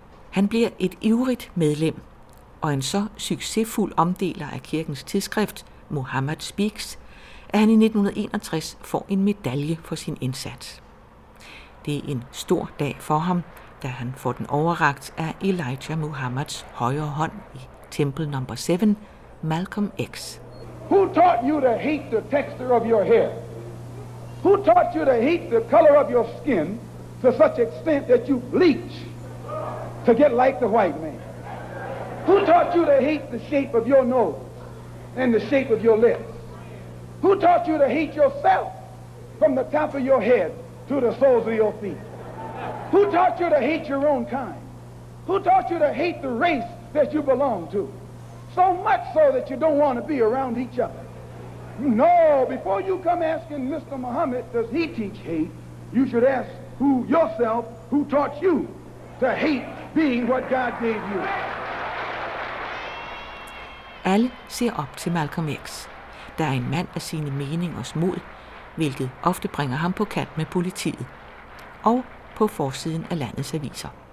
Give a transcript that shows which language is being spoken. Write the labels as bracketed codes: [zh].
[da] Han bliver et ivrigt medlem, og en så succesfuld omdeler af kirkens tidsskrift, Muhammad Speaks, at han i 1961 får en medalje for sin indsats. Det er en stor dag for ham, da han får den overrakt af Elijah Muhammads højre hånd i Temple No. 7, Malcolm X. [en] Who taught you to hate the texture of your hair? Who taught you to hate the color of your skin to such extent that you bleach to get like the white man? Who taught you to hate the shape of your nose and the shape of your lips? Who taught you to hate yourself from the top of your head to the soles of your feet? Who taught you to hate your own kind? Who taught you to hate the race that you belong to? So much so that you don't want to be around each other. No, before you come asking Mr. Muhammad, does he teach hate? You should ask who yourself, who taught you to hate being what God gave you. [da] Alle ser op til Malcolm X. Der er en mand af sine meningers mod, hvilket ofte bringer ham på kant med politiet og på forsiden af landets aviser.